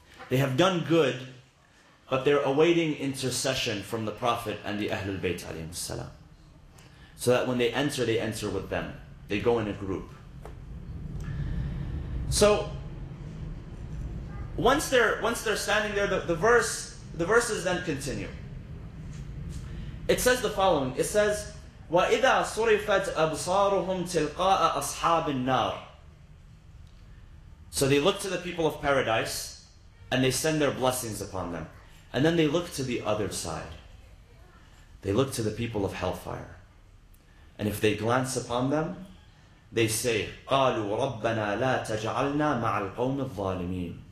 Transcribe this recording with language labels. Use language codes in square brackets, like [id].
[en] They have done good, but they're awaiting intercession from the Prophet and the Ahlul Bayt alayhim salam. So that when they enter with them. They go in a group. So once they're standing there, the verses then continue. It says the following. It says, [ar] وَإِذَا صُرِفَتْ أَبْصَارُهُمْ تِلْقَاءَ أَصْحَابِ النَّارِ. [en] So they look to the people of paradise, and they send their blessings upon them. And then they look to the other side. They look to the people of hellfire. And if they glance upon them, they say, [ar] قَالُوا رَبَّنَا لَا تَجْعَلْنَا مَعَ الْقَوْمِ الظَّالِمِينَ.